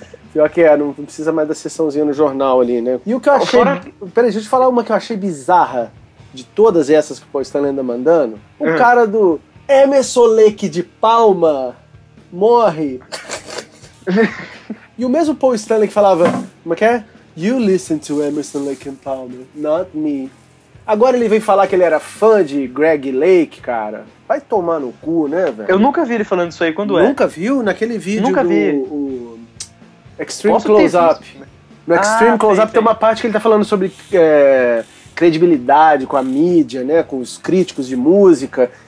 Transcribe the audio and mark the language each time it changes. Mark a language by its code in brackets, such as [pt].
[pt] Pior que é, não precisa mais da sessãozinha no jornal ali, né? E o que eu achei... Fora... Peraí, deixa eu te falar uma que eu achei bizarra de todas essas que o Paul Stanley anda mandando. O cara do Emerson Lake de Palma morre. E o mesmo Paul Stanley que falava... Como é que é? [en] You listen to Emerson, Lake and Palmer, not me. [pt] Agora ele vem falar que ele era fã de Greg Lake, cara. Vai tomar no cu, né, velho? Eu nunca vi ele falando isso aí, quando nunca é? Nunca viu? Naquele vídeo nunca do vi. O Extreme Close-Up. No Extreme Close-Up tem uma parte que ele tá falando sobre credibilidade com a mídia, né, com os críticos de música.